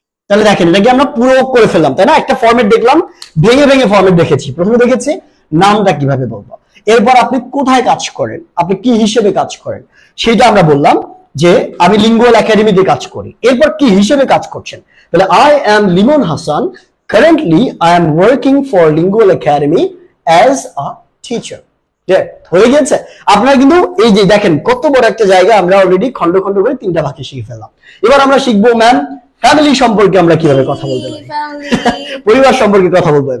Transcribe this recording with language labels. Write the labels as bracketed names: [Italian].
[Bangla] তাহলে দেখেন, এটা কি আমরা পুরো করে ফেললাম, তাই না? একটা ফর্মেট দেখলাম, ভেঙে ভেঙে ফর্মেট দেখেছি, প্রথমে দেখেছি নামটা কিভাবে বলবো, এরপর আপনি কোথায় কাজ করেন, আপনি কি হিসেবে কাজ করেন সেটা আমরা বললাম, যে আমি লিঙ্গুয়াল একাডেমিতে কাজ করি, এরপর কি হিসেবে কাজ করছেন। তাহলে [English] I am Limon Hasan currently I am working for Lingual Academy as a teacher. [Bangla] Yeah, হয়ে গেছে। আপনারা কিন্তু এই যে দেখেন কত বড় একটা জায়গা, আমরা অলরেডি খন্ড খন্ড করে তিনটা বাক্য শিখে ফেললাম। এবার আমরা শিখবো ম্যাম ফ্যামিলি সম্পর্কে আমরা কিভাবে কথা বলতে পারি, পরিবার সম্পর্কে কথা বলবো।